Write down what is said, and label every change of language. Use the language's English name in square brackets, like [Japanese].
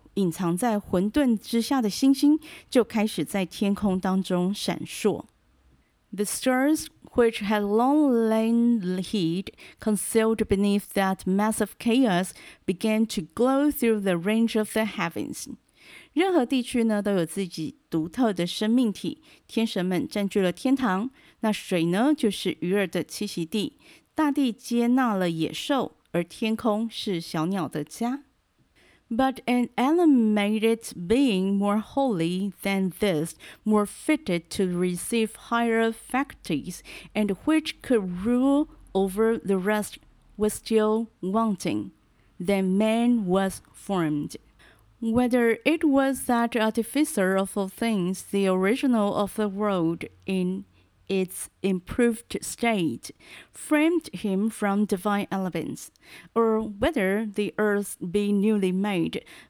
[Chinese] 隐藏在混沌之下的星星就开始在天空当中闪烁。 [English] The stars, which had long lain hid, concealed beneath that massive chaos, began to glow through the range of the heavens. [Chinese] 任何地区呢都有自己独特的生命体，天神们占据了天堂，那水呢就是鱼儿的栖息地，大地接纳了野兽，而天空是小鸟的家。 [English] But an animated being more holy than this, more fitted to receive higher faculties, and which could rule over the rest, was still wanting. Then man was formed. Whether it was that artificer of all things, the original of the world in its improved state, framed him from divine elements, or whether the earth be newly made,